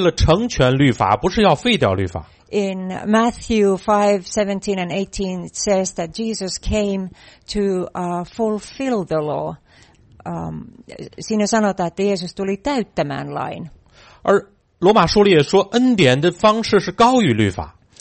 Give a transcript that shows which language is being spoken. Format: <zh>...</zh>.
<zh>在马太福音的5章17节18节说，耶稣来，他是为了成全律法，不是要废掉律法。</zh> <en>In Matthew 5:17 and 18, it says that Jesus came to fulfill the law.</en> <fi>Siinä sanotaan, että Jeesus tuli täyttämään lain.</fi> <zh>而罗马书里也说，恩典的方式是高于律法。</zh>